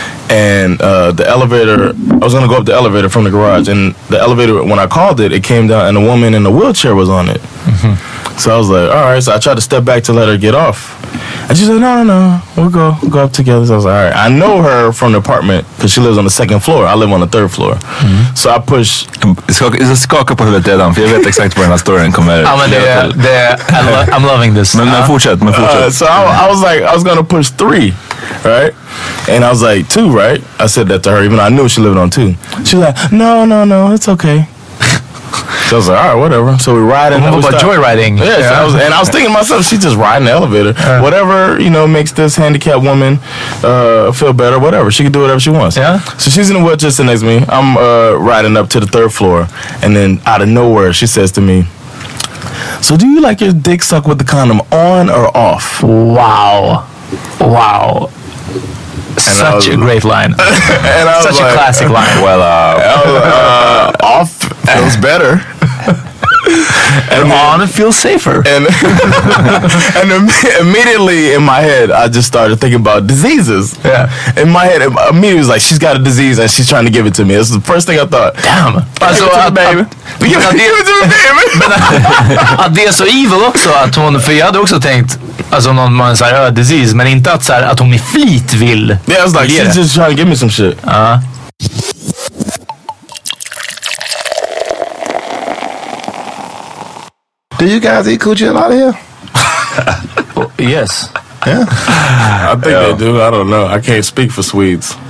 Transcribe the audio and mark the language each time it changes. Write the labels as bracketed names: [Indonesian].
[English] And the elevator, I was gonna go up the elevator from the garage, and the elevator, when I called it, it came down and a woman in a wheelchair was on it. Mm-hmm. So I was like, alright, so I tried to step back to let her get off. And she said, no, we'll go up together. So I was like, alright, I know her from the apartment, because she lives on the second floor, I live on the third floor. Mm-hmm. So I pushed... It's a [Swedish] skaka på huvudet redan, för jag vet exakt var den här storyn kommer. Ja, men [English] I'm loving this. [Swedish] Men fortsätt, men fortsätt. [English] So I was like, I was gonna push three. Right? And I was like, two, right? I said that to her, even though I knew she lived on two. She was like, no, it's okay. So I was like, all right, whatever. So we ride in. What about joyriding? Yeah, so I was thinking to myself, she's just riding the elevator. Whatever, you know, makes this handicapped woman feel better, whatever. She can do whatever she wants. Yeah. So she's in the wheelchair sitting next to me. I'm riding up to the third floor. And then out of nowhere, she says to me, so do you like your dick sucked with the condom on or off? Wow. And such a great line. And such a classic line. Well, off feels better. And on feels safer. And immediately in my head, I just started thinking about diseases. Yeah. In my head, immediately was like, she's got a disease and she's trying to give it to me. That's the first thing I thought. Damn. Give it to the baby. Give it to the baby. [Swedish] Att det är så evil också, att hon, för jag hade också tänkt, alltså någon man säger ja, disease, men inte att så här, att hon med flit vill. [English] Yeah, I was like, she's just trying to give me some shit. Do you guys eat coochie a lot here? Yes. Yeah. I think they do. I don't know. I can't speak for Swedes.